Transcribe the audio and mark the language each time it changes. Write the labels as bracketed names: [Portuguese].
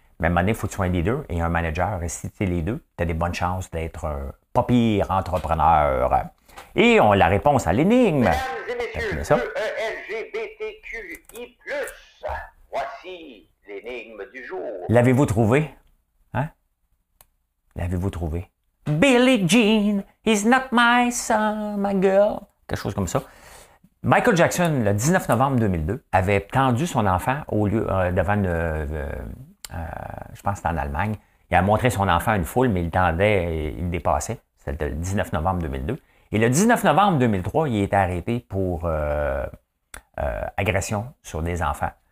[French] Mais à un moment donné, il faut que tu sois un leader et un manager. Et si tu es les deux, tu as des bonnes chances d'être un pas pire entrepreneur. Et on a la réponse à l'énigme. Mesdames et messieurs, E-L-G-B-T-Q-I+, voici l'énigme du jour. L'avez-vous trouvé? Hein? L'avez-vous trouvé? [English] Billie Jean is not my son, my girl. [French] Quelque chose comme ça. Michael Jackson, le 19 novembre 2002, avait tendu son enfant au lieu devant une... je pense que c'était en Allemagne. Il a montré son enfant à une foule, mais il tendait, il dépassait. C'était le 19 novembre 2002. Et le 19 novembre 2003, il a été arrêté pour agression sur des enfants.